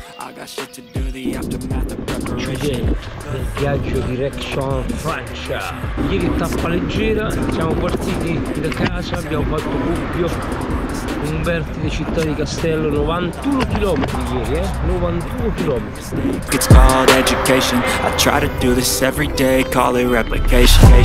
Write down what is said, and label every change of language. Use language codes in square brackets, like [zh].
[en] I got shit to do, the aftermath of preparation. [it] Del viaggio [en] direction [it] Francia. Ieri tappa leggera, siamo partiti da casa, abbiamo fatto Gubbio, un vertice città di Castello, 91 km ieri, 91 km. [en] It's called education, I try to do this every day, call it replication.